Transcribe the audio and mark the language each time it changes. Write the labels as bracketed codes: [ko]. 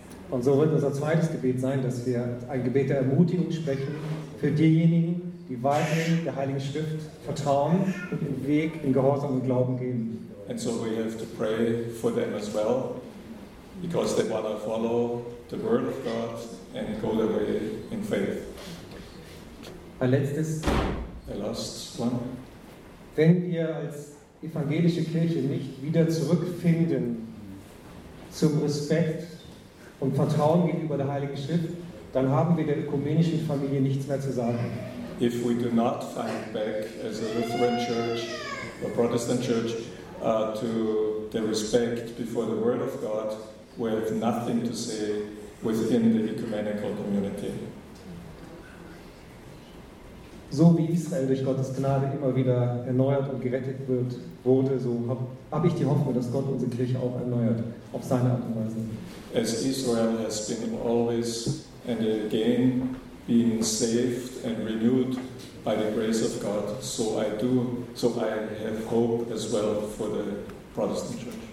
[de] Und so wird unser zweites Gebet sein, dass wir ein Gebet der Ermutigung sprechen für diejenigen, die weiterhin der Heiligen Schrift vertrauen und den Weg in Gehorsam und Glauben gehen. [en] And so we have to pray for them as well, because they want to follow the word of God and go their way in faith. [de] Ein letztes. [en] A last one. [de] Wenn wir als evangelische Kirche nicht wieder zurückfinden zum Respekt und Vertrauen gegenüber der Heiligen Schrift, dann haben wir der ökumenischen Familie nichts mehr zu sagen. [en] If we do not find back as a Lutheran church, a Protestant church, to the respect before the Word of God, we have nothing to say within the ecumenical community. [de] So wie Israel durch Gottes Gnade immer wieder erneuert und gerettet wird, wurde, so hab ich die Hoffnung, dass Gott unsere Kirche auch erneuert, auf seine Art und Weise. [en] As Israel has been always and again being saved and renewed by the grace of God, so I have hope as well for the Protestant Church.